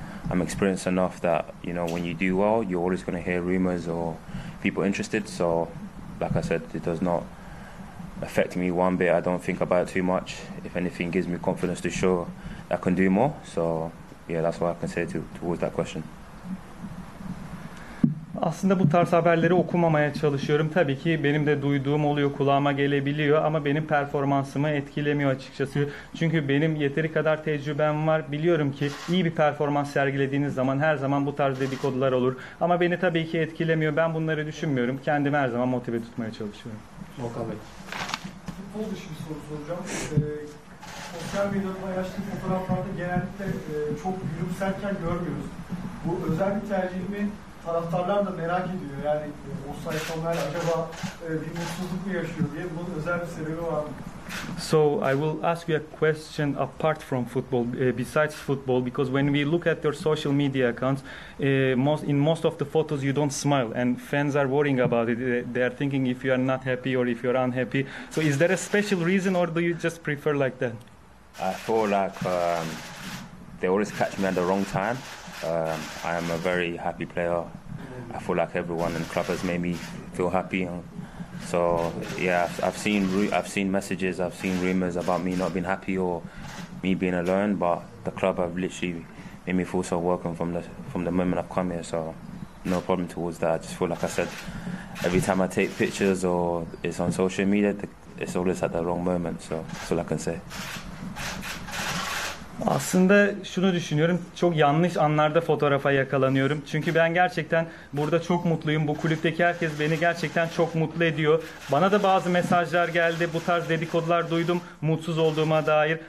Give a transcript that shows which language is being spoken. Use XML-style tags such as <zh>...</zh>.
<en>I'm experienced enough that, you know, when you do well, you're always going to hear rumors or people interested. So, like I said, it does not affect me one bit. I don't think about it too much. If anything, gives me confidence to show I can do more. So, yeah, that's what I can say towards that question.</en> <tr>Aslında bu tarz haberleri okumamaya çalışıyorum. Tabii ki benim de duyduğum oluyor, kulağıma gelebiliyor ama benim performansımı etkilemiyor açıkçası. Çünkü benim yeteri kadar tecrübem var. Biliyorum ki iyi bir performans sergilediğiniz zaman her zaman bu tarz dedikodular olur. Ama beni tabii ki etkilemiyor. Ben bunları düşünmüyorum. Kendimi her zaman motive tutmaya çalışıyorum. Volkan Bey. Futbol dışı bir soru soracağım. Sosyal medyada paylaştığım fotoğraflarda genellikle çok gülümserken görmüyoruz. Bu özel bir tercih mi? Taraftarlar da merak ediyor. Yani Osayi-Samuel acaba bir mutsuzluk mu yaşıyor diye, bunun özel bir sebebi var mı?</tr> <en>So I will ask you a question apart from football, besides football, because when we look at your social media accounts, in most of the photos you don't smile, and fans are worrying about it. They are thinking if you are not happy or if you are unhappy. So is there a special reason, or do you just prefer like that? I feel like they always catch me at the wrong time. I am a very happy player. I feel like everyone in the club has made me feel happy. So yeah, I've seen messages, I've seen rumors about me not being happy or me being alone. But the club have literally made me feel so welcome from the moment I've come here. So no problem towards that. I just feel like I said, every time I take pictures or it's on social media, it's always at the wrong moment. So that's all I can say.</en> <tr>Aslında şunu düşünüyorum, çok yanlış anlarda fotoğrafa yakalanıyorum. Çünkü ben gerçekten burada çok mutluyum. Bu kulüpteki herkes beni gerçekten çok mutlu ediyor. Bana da bazı mesajlar geldi, bu tarz dedikodular duydum mutsuz olduğuma dair.</tr>